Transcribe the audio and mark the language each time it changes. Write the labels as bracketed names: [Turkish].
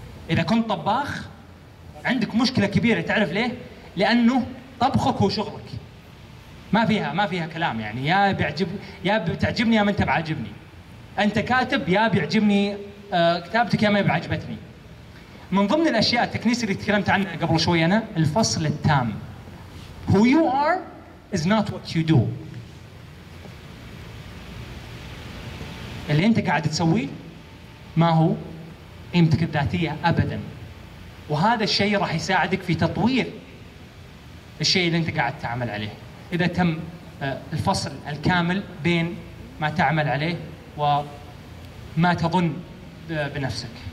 [Arabic] إذا كنت طباخ عندك مشكلة كبيرة، تعرف ليه؟ لأنه طبخك هو شغلك، ما فيها كلام. يعني يا بتعجبني يا ما أنت بعجبني. أنت كاتب يا بيعجبني كتابتك يا ما بعجبتني. من ضمن الأشياء التكنيس اللي تكلمت عنها قبل شوي أنا، الفصل التام. [English] Who you are is not what you do. [Arabic] اللي أنت قاعد تسويه ما هو قيمتك الذاتية أبداً، وهذا الشيء راح يساعدك في تطوير الشيء اللي أنت قاعد تعمل عليه إذا تم الفصل الكامل بين ما تعمل عليه وما تظن بنفسك.